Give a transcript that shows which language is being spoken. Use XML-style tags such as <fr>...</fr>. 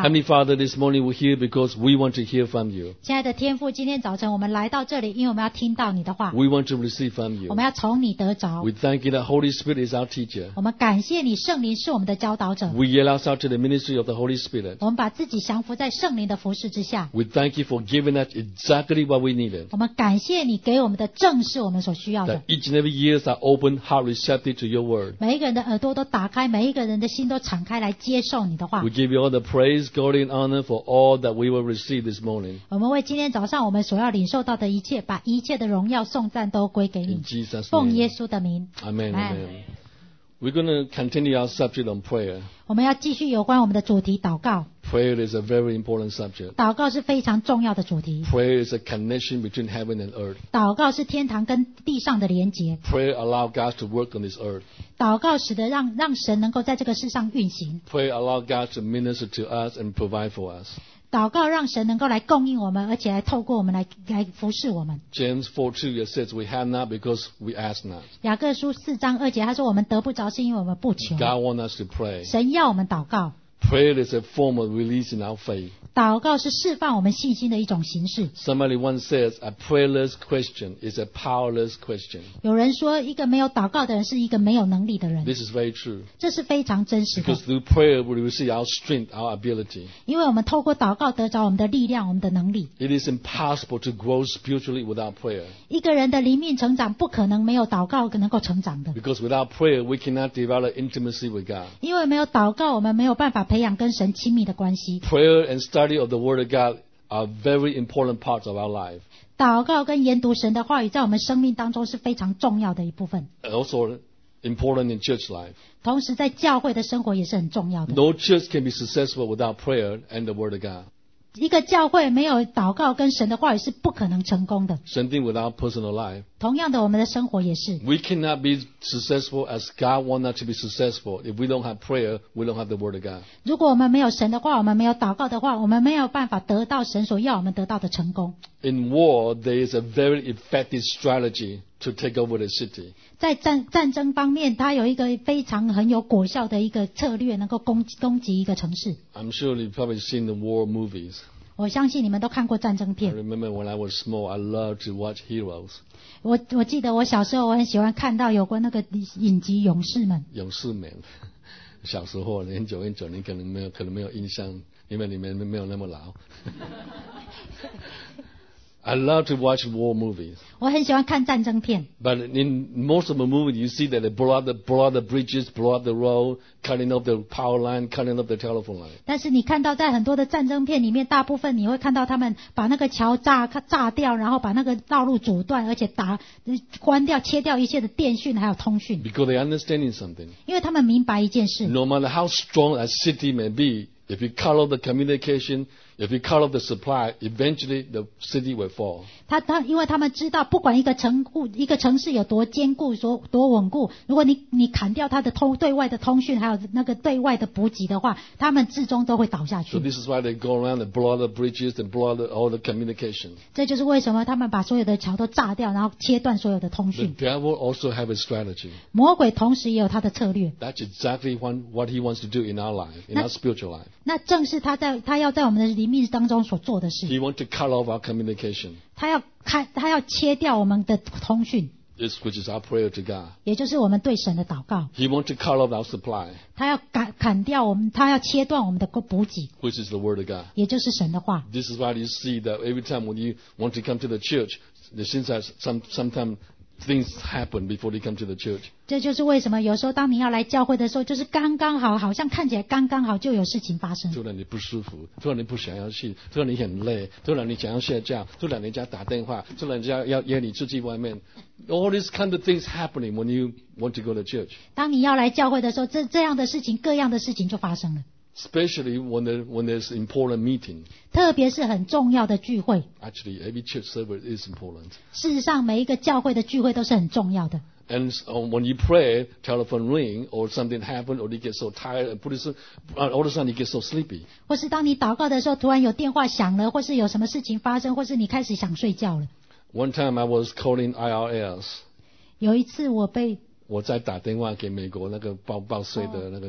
<en>Heavenly Father, this morning we're here because we want to hear from you.</en> <zh>亲爱的天父，今天早晨我们来到这里，因为我们要听到你的话。</zh> <en>We want to receive from you.</en> <zh>我们要从你得着。</zh> <en>We thank you that Holy Spirit is our teacher.</en> <zh>我们感谢你，圣灵是我们的教导者。</zh> <en>We yield ourselves to the ministry of the Holy Spirit.</en> <zh>我们把自己降服在圣灵的服事之下。</zh> <en>We thank you for giving us exactly what we needed.</en> <zh>我们感谢你给我们的正是我们所需要的。</zh> <en>That each and every ears are open, heart receptive to your word.</en> <zh>每一个人的耳朵都打开，每一个人人的心都敞开来接受你的话。</zh> <en>We give you all the praise, glory, and honor for all that we will receive this morning.</en> <zh>我们为今天早上我们所要领受到的一切，把一切的荣耀颂赞都归给你。</zh> <en>In Jesus' name.</en> <zh>奉耶稣的名。</zh> <en>Amen. Amen. We're going to continue our subject on prayer.</en> <zh>我们要继续有关我们的主题祷告。</zh> <en>Prayer is a very important subject.</en> <zh>祷告是非常重要的主题。</zh> <en>Prayer is a connection between heaven and earth.</en> <zh>祷告是天堂跟地上的连结。</zh> <en>Prayer allows God to work on this earth.</en> <zh>祷告使得 让神能够在这个世上运行。</zh> <en>Prayer allow God to minister to us and provide for us.</en> <zh>祷告让神能够来供应我们，而且来透过我们 来服侍我们。</zh> <en>James 4:2 says we have not because we ask not.</en> <zh>雅各书四章二节他说我们得不着是因为我们不求。</zh> <en>God want us to pray.</en> <zh>神要我们祷告。</zh> <en>Prayer is a form of releasing our faith.</en> <zh>祷告是释放我们信心的一种形式。</zh> <en>Somebody once says, a prayerless question is a powerless question.</en> <zh>有人说一个没有祷告的人是一个没有能力的人。</zh> <en>This is very true.</en> <zh>这是非常真实的。</zh> <en>Because through prayer we receive our strength, our ability.</en> <zh>因为我们透过祷告得着我们的力量，我们的能力。</zh> <en>It is impossible to grow spiritually without prayer.</en> <zh>一个人的灵命成长不可能没有祷告能够成长的。</zh> <en>Because without prayer we cannot develop intimacy with God.</en> <zh>因为没有祷告我们没有办法培养跟神亲密的关系。</zh> <en>Prayer and study of the Word of God are very important parts of our life.</en> <zh>祷告跟研读神的话语在我们生命当中是非常重要的一部分。</zh> <en>Also important in church life.</en> <zh>同时在教会的生活也是很重要的。</zh> <en>No church can be successful without prayer and the Word of God.</en> <zh>一个教会没有祷告跟神的话语是不可能成功的。</zh> <en>Same thing with our personal life.</en> <zh>同样的，我们的生活也是。</zh> <en>We cannot be successful as God wants us to be successful if we don't have prayer, we don't have the Word of God.</en> <zh>如果我们没有神的话，我们没有祷告的话，我们没有办法得到神所要我们得到的成功。</zh> <en>In war, there is a very effective strategy to take over the city.</en> <zh>在战争方面，它有一个非常很有果效的一个策略，能够攻击一个城市。</zh> <en>I'm sure you've probably seen the war movies.</en> <zh>我相信你们都看过战争片。</zh> <en>I remember when I was small, I loved to watch heroes.</en> <zh>我记得我小时候我很喜欢看到有关那个影集《勇士们》。勇士们，小时候很久很久，你可能没有印象，因为你们没有那么老。</zh> <en>I love to watch war movies.</en> <zh>我很喜欢看战争片。</zh> <en>But in most of the movies, you see that they blow up the bridges, blow up the road, cutting off the power line, cutting off the telephone line.</en> <zh>但是你看到在很多的战争片里面，大部分你会看到他们把那个桥炸掉，然后把那个道路阻断，而且关掉、切掉一切的电讯还有通讯。</zh> <en>Because they're understanding something.</en> <zh>因为他们明白一件事。</zh> <en>No matter how strong a city may be. If you cut off the communication, if you cut off the supply, eventually the city will fall.</en> <zh>因为他们知道，不管一个城市有多坚固、多稳固，如果你砍掉它的对外的通讯，还有那个对外的补给的话，他们最终都会倒下去。</zh> <en>So this is why they go around and blow the bridges and blow all the communication.</en> <zh>这就是为什么他们把所有的桥都炸掉，然后切断所有的通讯。</zh> <en>The devil also have a strategy.</en> <zh>魔鬼同时也有他的策略。</zh> <en>That's exactly what he wants to do in our life, in our spiritual life.</en> <zh>那正是他要在我们的灵命当中所做的事。</zh> <en>He want to cut off our communication.</en> <zh>他要切掉我们的通讯。</zh> <en>It's which is our prayer to God.</en> <zh>也就是我们对神的祷告。</zh> <en>He want to cut off our supply.</en> <zh>他要砍掉我们，他要切断我们的补给。</zh> <en>Which is the word of God.</en> <zh>也就是神的话。</zh> <en>This is why you see that every time when you want to come to the church, there seems that sometimes. Things happen before they come to the church.</en> <zh>这就是为什么有时候当你要来教会的时候，就是刚刚好，好像看起来刚刚好就有事情发生。突然你不舒服，突然你不想要去，突然你很累，突然你想要睡觉，突然人家打电话，突然人家要约你出去外面。</zh> <en>All these kind of things happening when you want to go to church.</en> <zh>当你要来教会的时候，这样的事情，各样的事情就发生了。</zh> <en>Especially when there's important meeting.</en> <zh>特别是很重要的聚会。</zh> <en>Actually, every church service is important.</en> <zh>事实上，每一个教会的聚会都是很重要的。</zh> <en>And so when you pray, telephone ring, or something happens, or you get so tired, and pretty soon, all of a sudden you get so sleepy.</en> <zh>或是当你祷告的时候，突然有电话响了，或是有什么事情发生，或是你开始想睡觉了。</zh> <en>One time I was calling IRS.</en> <zh>有一次我被我在打电话给美国那个报税的那个、</zh>